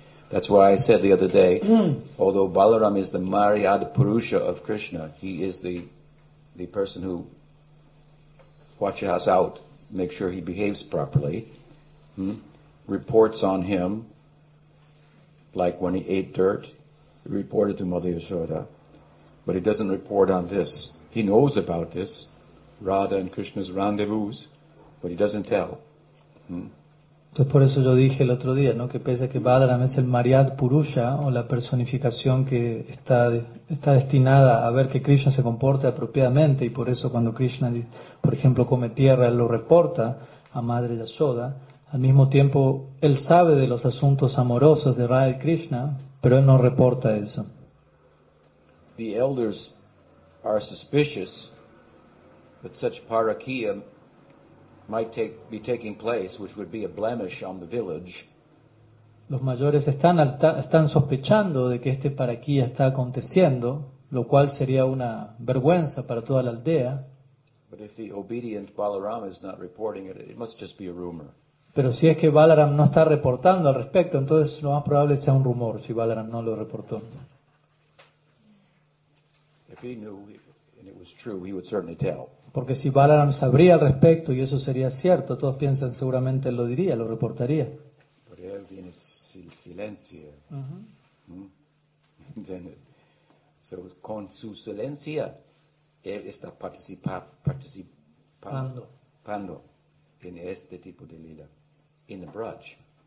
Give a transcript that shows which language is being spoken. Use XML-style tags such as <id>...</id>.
<en>That's why I said the other day, although Balaram is the Mariad Purusha of Krishna, he is the person who watches us out, makes sure he behaves properly, reports on him, like when he ate dirt, he reported to Mother Yashoda, but he doesn't report on this. He knows about this, Radha and Krishna's rendezvous, but he doesn't tell.</en> <es>Entonces por eso yo dije el otro día, ¿no? Que pese a que Balaram es el Mariad Purusha, o la personificación que está destinada a ver que Krishna se comporte apropiadamente, y por eso cuando Krishna, por ejemplo, come tierra, él lo reporta a Madre Yashoda, al mismo tiempo él sabe de los asuntos amorosos de Radha y Krishna, pero él no reporta eso.</es> <en>The elders are suspicious that such parakia might be taking place, which would be a blemish on the village.</en> <es>Los mayores están sospechando de que este parakia está aconteciendo, lo cual sería una vergüenza para toda la aldea.</es> <en>But if the obedient Balaram is not reporting it, it must just be a rumor.</en> <es>Pero si es que Balaram no está reportando al respecto, entonces lo más probable sea un rumor si Balaram no lo reportó.</es> <en>If he knew and it was true, he would certainly tell.</en> <es>Porque si Balaram sabría al respecto, y eso sería cierto, todos piensan, seguramente él lo diría, lo reportaría. Pero él tiene silencio. Entonces, con su silencio, él está participando en este tipo de lila, en el Braj.</es>